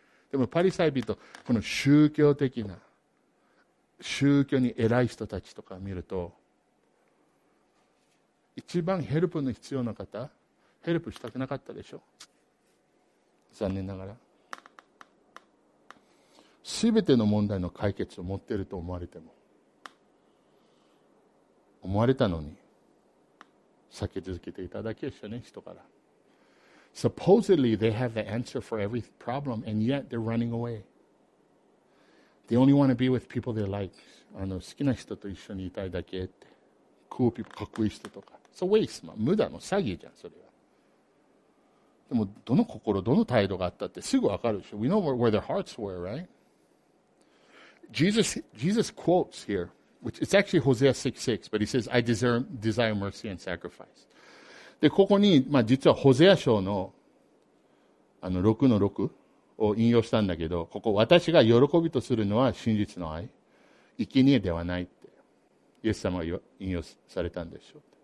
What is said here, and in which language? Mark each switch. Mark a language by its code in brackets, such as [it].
[ja] でもパリサイ人、この宗教的な、宗教に偉い人たちとか見ると、一番ヘルプの必要な方、ヘルプしたくなかったでしょ。残念ながら。すべての問題の解決を持っていると思われても、思われたのに、避け続けていただけでしょうね、人から。 [en] Supposedly they have the answer for every problem, and yet they're running away. They only want to be with people they like. [ja] あの好きな人と一緒にいたいだけって。 [en] Cool people, [ja] かっこいい人とか。 [en] It's a waste, man. [ja] 無駄の詐欺じゃん、それは。でも、どの心、どの態度があったってすぐわかるでしょ。 [en] We know where their hearts were, right? Jesus quotes here, which it's actually Hosea 6:6, but he says, I desire mercy and sacrifice. [ja] で、ここに、まあ実はホゼア書の、あの、6の6を引用したんだけど、ここ、私が喜びとするのは真実の愛。生き贄ではないって、イエス様が引用されたんでしょう。